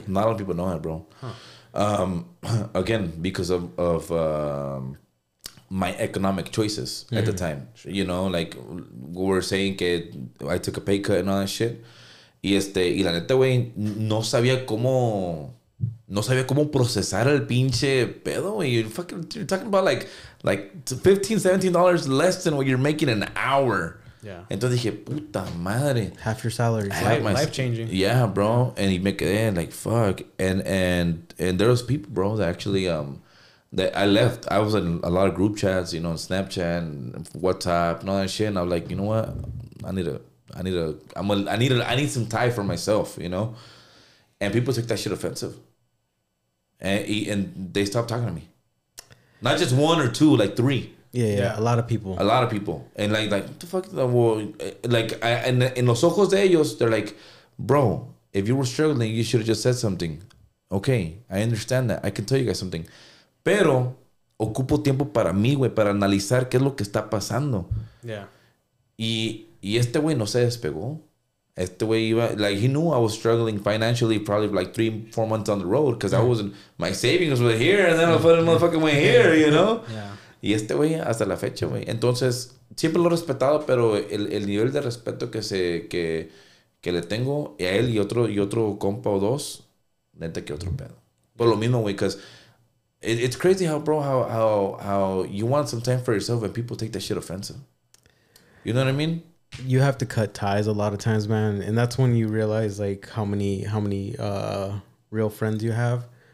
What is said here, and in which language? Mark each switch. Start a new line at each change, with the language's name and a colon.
English: Not a lot of people know that, bro. Huh. Again, because of my economic choices at the time, you know, like we were saying que I took a pay cut and all that shit.
Spanish: Y la neta, güey, no sabía cómo procesar el pinche pedo, güey.
English: You're talking about like $15, $17 less than what you're making an hour. Yeah.
Spanish: Yeah. Entonces dije, puta madre.
English: Half your salary. Life changing. Yeah, bro. And he make it in like, fuck. And there was people, bro, that actually, that I left. I was in a lot of group chats, you know, Snapchat, and WhatsApp, and all that shit. And I was like, you know what? I need some time for myself, you know? And people took that shit offensive. And they stopped talking to me. Not just one or two, like three. Yeah, a lot of people. A lot of people. And like what the fuck? In
Spanish: los ojos de ellos,
English: they're like, bro, if you were struggling, you should have just said something. Okay, I understand that. I can tell you guys something.
Spanish: Pero ocupo tiempo para mí, güey, para analizar qué es lo que está pasando.
English: Yeah.
Spanish: Y este güey no se despegó. Este güey iba,
English: like, he knew I was struggling financially probably like 3-4 months on the road because I wasn't, my savings were here and then I fucking motherfucking went here, you know? Yeah.
Spanish: Y este güey hasta la fecha, güey. Entonces, siempre lo he respetado, pero el nivel de respeto que le tengo a él y otro compa o dos, neta que otro pedo. Por lo mismo, güey,
English: because it's crazy how, bro, how you want some time for yourself and people take that shit offensive. You know what I mean? You have to cut ties a lot of times, man. And that's when you realize, like, how many real friends you have.